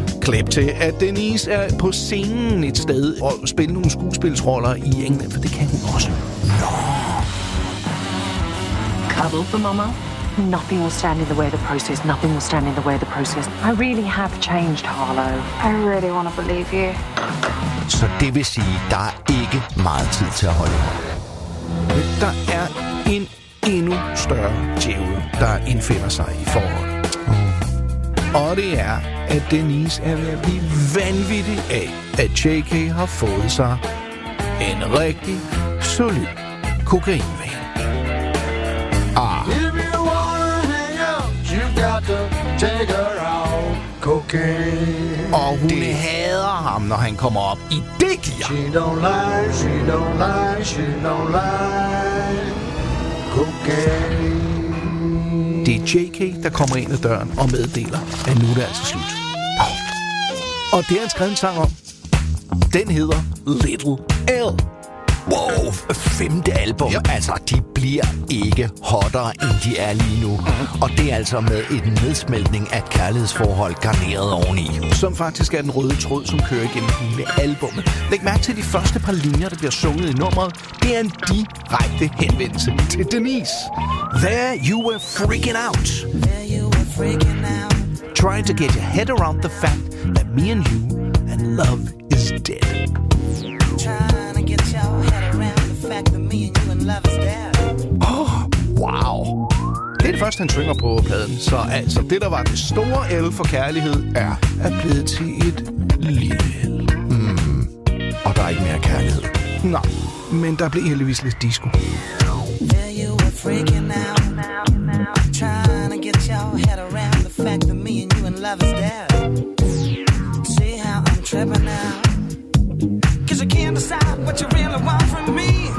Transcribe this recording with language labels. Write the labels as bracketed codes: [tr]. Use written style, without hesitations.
[da] Clip to at Denise er på scenen et sted og spiller nogle skuespilsroller i England, for det kan hun også. [en] No. Cuddle for mama. Nothing will stand in the way of the process. Nothing will stand in the way of the process. I really have changed, Harlow. I really want to believe you. [da] Så det vil sige, der er ikke meget tid til at holde. Der er en endnu større djævel, der indfinder sig i forholdet. Og det er, at Denise er ved at blive vanvittig af, at JK har fået sig en rigtig solid kokainvane. Ah. [en] If you wanna hang out, you got to take her out. Cocaine. [da] Og hun det hader ham, når han kommer op i det gear. [en] She don't lie, she don't lie, she don't lie. Cocaine. [da] Det er JK, der kommer ind ad døren og meddeler, at nu er det altså slut. Og det er en skrevet sang om. Den hedder Little L. Wow, femte album. Ja. Altså, de bliver ikke hottere, end de er lige nu. Og det er altså med et nedsmeltning af kærlighedsforhold garneret oveni. Som faktisk er den røde tråd, som kører igennem hele albumet. Læg mærke til de første par linjer, der bliver sunget i nummeret. Det er en direkte henvendelse til Denise. [en] There you were freaking out. There you were freaking out. Trying to get your head around the fact that me and you and love is dead. Trying to get your head around the fact that me and you in love is dead. Oh, wow. [da] Det er det første, han synger på pladen. Så altså, det, der var det store el for kærlighed, er blevet til et lille el. Og der er ikke mere kærlighed. Nej, men der blev heldigvis lidt disco. [en] Yeah, you were freaking out. Trying to get your head around the fact that me and you in love is dead. See how I'm tripping now. Cause you can't decide what you really want from me.